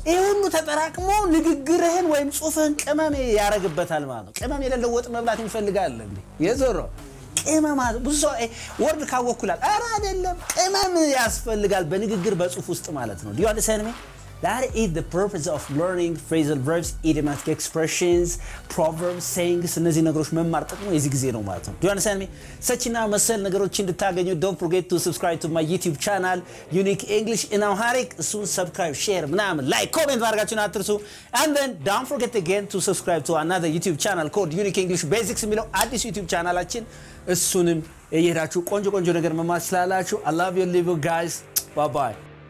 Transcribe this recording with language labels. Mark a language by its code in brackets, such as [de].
[am] ይሁሉ ተጠራቅሞ ንግግርህን ወይም ጽሑፍህን ቅመም ያረግበታል ማለት ነው ቅመም የሌለው ወጥ መብላት ይፈልጋል እንዴ የዞሮ ቅመማት ብዙ ሰው word ካወኩላል አረ አይደለም ቅመም ያስፈልጋል በንግግር በጽሑፍ ውስጥ ማለት ነው ዲዮ አንደርስታንድ ሚ [en] That is the purpose of learning phrasal verbs, idiomatic expressions, proverbs, sayings, [am] እነዚህ ነገሮች መማር ጥቅሙ እዚህ ጊዜ ነው ማለት ነው. [en] Do you understand me? [am] ሰችና መሰል ነገሮች እንድታገኙ [en] don't forget to subscribe to my YouTube channel, Unique English in Amharic. [am] እሱን subscribe, share, ምናም like, comment ማድረጋችሁን አትርሱ. [en] And then don't forget again to subscribe to another YouTube channel called Unique English Basics. [am] የሚለው አዲስ YouTube channelአችን እሱንም እየሄዳችሁ ቆንጆ ቆንጆ ነገር መማር ስላላችሁ. [en] I love you, little guys. Bye-bye.